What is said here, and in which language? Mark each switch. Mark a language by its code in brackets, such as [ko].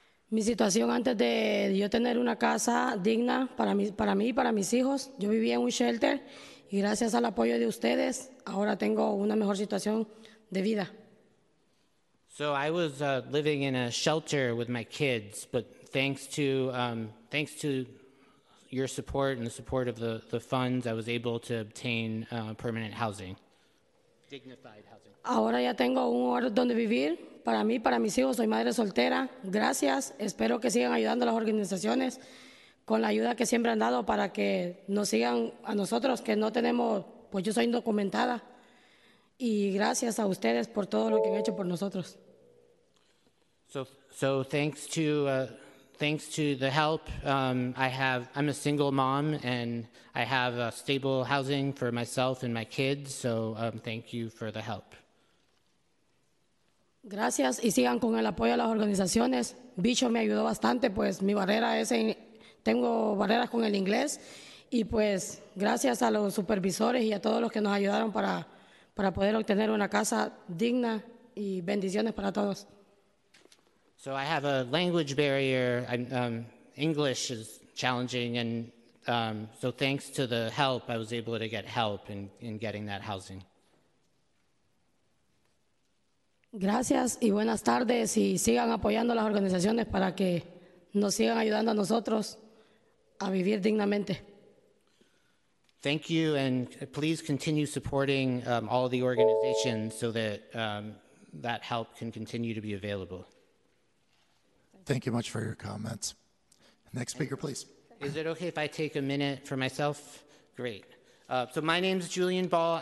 [es] Mi situación antes de yo tener una casa digna para mí y para mis hijos, yo vivía en un shelter y gracias al apoyo de ustedes, ahora tengo una mejor situación de vida. [en] So I was living in a shelter with my kids, but thanks to your support and the support of the funds, I was able to obtain permanent housing. Dignified housing. [es] Ahora ya tengo un hogar donde vivir. Para mí, para mis hijos, soy madre soltera. Gracias. Espero que sigan ayudando a las organizaciones con la ayuda que siempre han dado para que nos sigan a nosotros, que no tenemos, pues yo soy indocumentada. Y gracias a ustedes por todo lo que han hecho por nosotros. [en] So thanks to the help, I'm a single mom and I have a stable housing for myself and my kids. So thank you for the help. [es] Gracias y sigan con el apoyo de las organizaciones. Bicho me ayudó bastante, pues mi barrera es en, tengo barreras con el inglés y pues gracias a los supervisores y a todos los que nos ayudaron para poder obtener una casa digna y bendiciones para todos. [en] So I have a language barrier. English is challenging and so thanks to the help, I was able to get help in getting that housing. [es] Gracias y buenas tardes y sigan apoyando las organizaciones para que nos sigan ayudando a nosotros a vivir dignamente. [en] Thank you and please continue supporting all the organizations so that that help can continue to be available. Thank you much for your comments. Next speaker, please. Is it okay if I take a minute for myself? Great. So my name is Julian Ball.